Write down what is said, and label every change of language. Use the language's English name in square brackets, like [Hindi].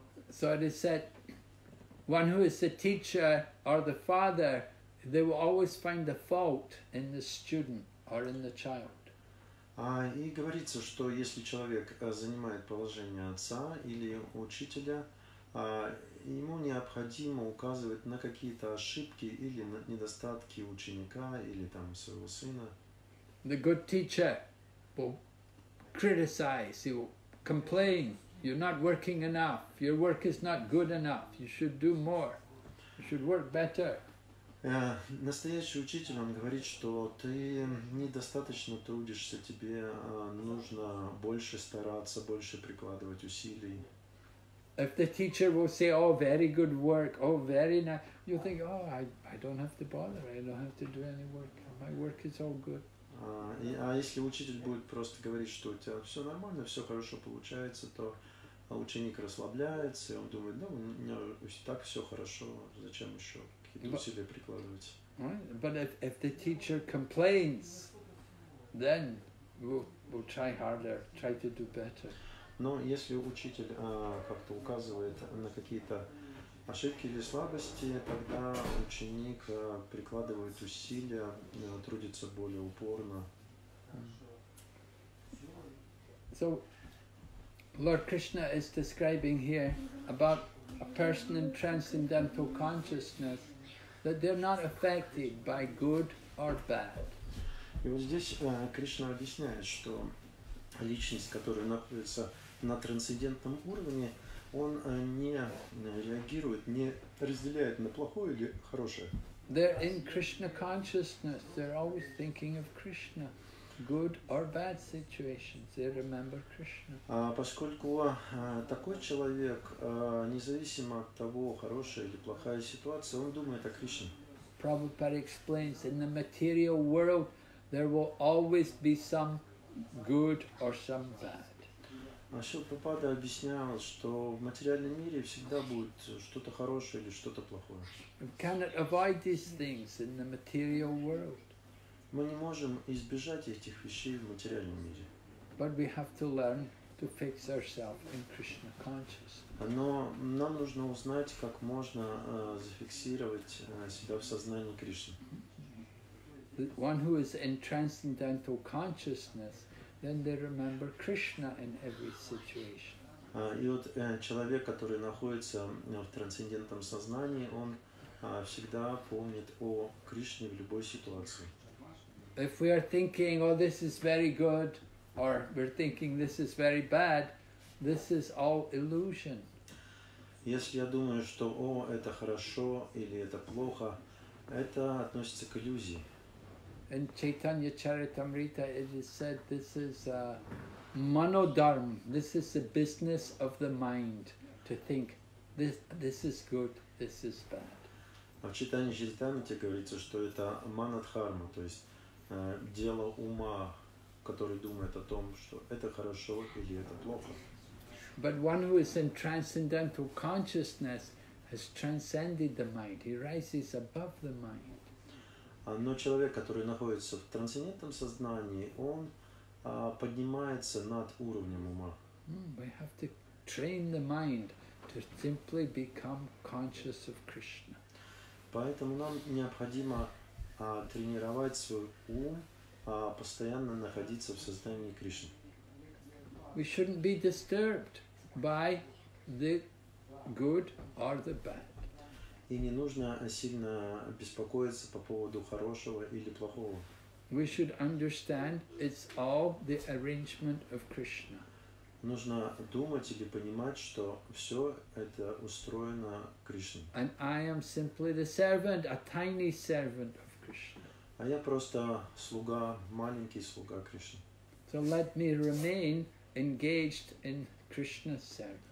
[English] So it is said, one who is the teacher or the father, they will always find the fault in the student or in the child. [Russian] И говорится, что если человек занимает положение отца или учителя, ему необходимо указывать на какие-то ошибки или на недостатки ученика или там своего сына. [English] The good teacher will criticize, he will complain. You're not working enough. Your work is not good enough. You should do more. You should work better. [Russian] Настоящий учитель, он говорит, что ты недостаточно трудишься, тебе нужно больше стараться, больше прикладывать усилий. [English] If the teacher will say, oh, very good work, oh, very nice, you think, oh, I don't have to bother, I don't have to do any work, my work is all good. [Russian] А если учитель будет просто говорить, что у тебя все нормально, все хорошо получается, то ученик расслабляется, и он думает, ну, у меня и так все хорошо, зачем еще какие-то усилия прикладывать. [English] Right. But if the teacher complains, then we'll try harder, try to do better. [Russian] Но если учитель как-то указывает на какие-то ошибки или слабости, тогда ученик прикладывает усилия, трудится более упорно. [English] So, Lord Krishna is describing here about a person in transcendental consciousness that they're not affected by good or bad. [Russian] И вот здесь Кришна объясняет, что личность, которая находится на трансцендентном уровне, он не реагирует, не разделяет на плохое или хорошее. [English] They're in Krishna consciousness. They're always thinking of Krishna. Good or bad situations, they remember Krishna. [Russian] Поскольку такой человек, независимо от того, хорошая или плохая ситуация, он думает о Кришне. [English] Prabhupada explains, in the material world, there will always be some good or some bad. [Russian] Шрила Прабхупада объяснял, что в материальном мире всегда будет что-то хорошее или что-то плохое. [English] We cannot avoid these things in the material world. [Russian] Мы не можем избежать этих вещей в материальном мире. [English] But we have to learn to fix ourselves in Krishna consciousness. [Russian] Но нам нужно узнать, как можно зафиксировать себя в сознании Кришны. [English] One who is in transcendental consciousness, then they remember Krishna in every situation. [Russian] И вот человек, который находится в трансцендентном сознании, он всегда помнит о Кришне в любой ситуации. [English] If we are thinking, oh, this is very good, or we're thinking this is very bad, this is all illusion. [Russian] Если я думаю, что, о, это хорошо или это плохо, это относится к иллюзии. [English] In Chaitanya Charitamrita, it is said this is manodharma. This is the business of the mind to think this is good, this is bad. [Russian] В Чайтанье Чаритамрите говорится, что это манодхарма, то есть дело ума, который думает о том, что это хорошо или это плохо. [English] But one who is in transcendental consciousness has transcended the mind. He rises above the mind. [Russian] Но человек, который находится в трансцендентном сознании, он поднимается над уровнем ума. [English] We have to train the mind to simply become conscious of Krishna. [Russian] Поэтому нам необходимо тренировать свой ум, постоянно находиться в сознании Кришны. [English] We shouldn't be disturbed by the good or the bad. [Russian] И не нужно сильно беспокоиться по поводу хорошего или плохого. [English] We should understand it's all the arrangement of Krishna. [Russian] Нужно думать или понимать, что все это устроено Кришной. [English] And I am simply the servant, a tiny servant of Krishna. [Russian] А я просто слуга, маленький слуга Кришны. [English] So let me remain engaged in Krishna's service.